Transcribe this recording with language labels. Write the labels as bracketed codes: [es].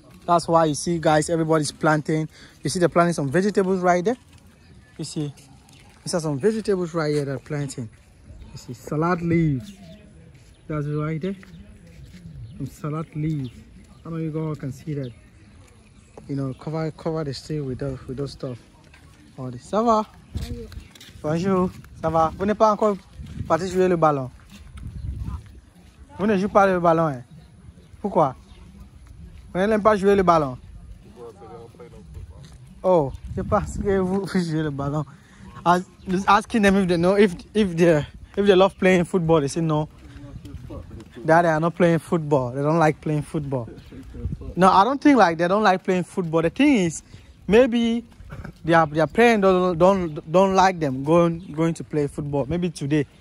[en] That's why you see guys, everybody's planting. You see they're planting some vegetables right there. You see, these are some vegetables right here that are planting. You see salad leaves. That's right there. Some salad leaves. I don't know if you guys can see that. You know, cover the street with those stuff. All this. [fr] Ça va? Bonjour. Ça va? Vous n'êtes pas encore parti jouer le ballon? Vous ne jouez pas le ballon, hein? Pourquoi? Vous n'aimez pas jouer le ballon? Oh, c'est parce que vous jouez le ballon. [en] I was asking them if they love playing football. They say no. That they are not playing football. They don't like playing football. No, I don't think like they don't like playing football. The thing is, maybe their parents don't like them going to play football. Maybe today.